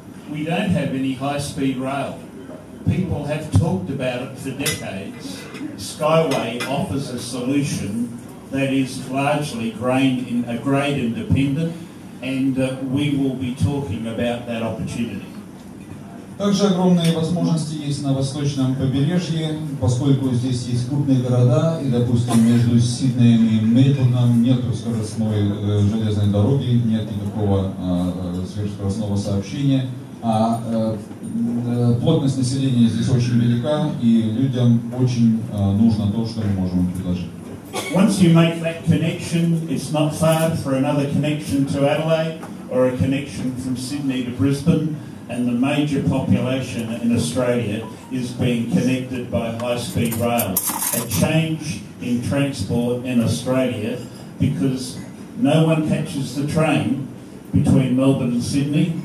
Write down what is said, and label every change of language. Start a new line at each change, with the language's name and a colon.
English: We don't have any high-speed rail. People have talked about it for decades. Skyway offers a solution that is largely grade independent, and we will be talking about that opportunity.
Russian: Также огромные возможности есть на восточном побережье, поскольку здесь есть крупные города, и, допустим, между Сиднеем и Мельбурном нет скоростной железной дороги, нет никакого сверхскоростного сообщения, а плотность населения здесь очень велика, и людям очень нужно то, что мы можем предложить.
English: Once you make that connection, it's not far for another connection to Adelaide or a connection from Sydney to Brisbane. And the major population in Australia is being connected by high-speed rail. A change in transport in Australia, because no one catches the train between Melbourne and Sydney.